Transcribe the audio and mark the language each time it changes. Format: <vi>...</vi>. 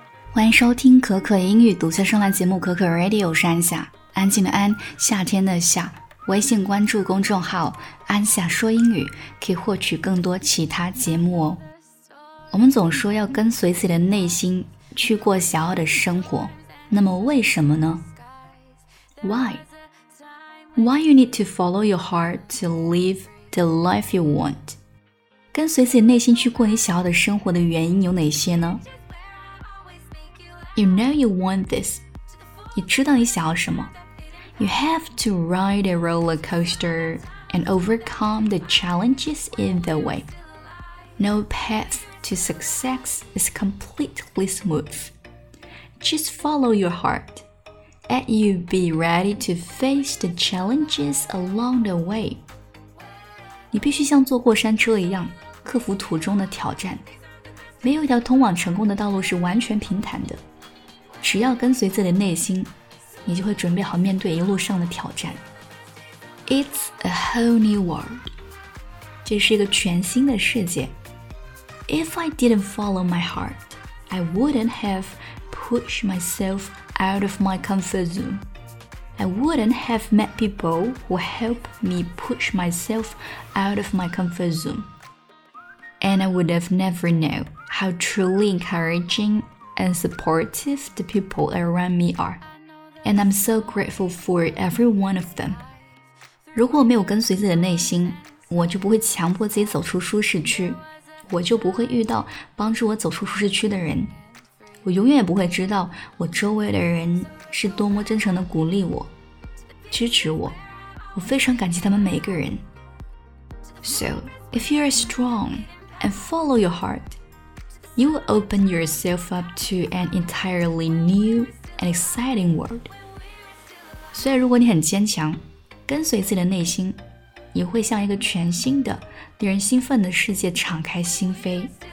<zh>欢迎收听可可英语独家声浪节目可可 Radio， 我是安夏，安静的安，夏天的夏。微信关注公众号安夏说英语，可以获取更多其他节目哦。我们总说要跟随自己的内心去过想要的生活，那么为什么呢？</zh> <en>Why you need to follow your heart to live the life you want?</en> <zh>跟随自己内心去过你想要的生活的原因有哪些呢？</zh> <en>You know you want this.</en> <zh>你知道你想要什么？</zh> <en>You have to ride a roller coaster and overcome the challenges in the way. No path to success is completely smooth. Just follow your heart. And you be ready to face the challenges along the way.</en> <zh>你必须像坐过山车一样克服途中的挑战。没有一条通往成功的道路是完全平坦的。只要跟随自己的内心，你就会准备好面对一路上的挑战。</zh> <en>It's a whole new world.</en> <zh>这是一个全新的世界。</zh> <en>If I didn't follow my heart, I wouldn't have pushed myselfOut of my comfort zone. I wouldn't have met people who helped me push myself out of my comfort zone. And I would have never known how truly encouraging and supportive the people around me are. And I'm so grateful for every one of them.</en> <zh>如果我没有跟随自己的内心，我就不会强迫自己走出舒适区，我就不会遇到帮助我走出舒适区的人。我永远也不会知道我周围的人是多么真诚地鼓励我，支持我，我非常感激他们每一个人。</zh> <en>So, if you are strong and follow your heart, you will open yourself up to an entirely new and exciting world.</en> <zh>所以如果你很坚强，跟随自己的内心，你会向一个全新的、令人兴奋的世界敞开心扉。</zh>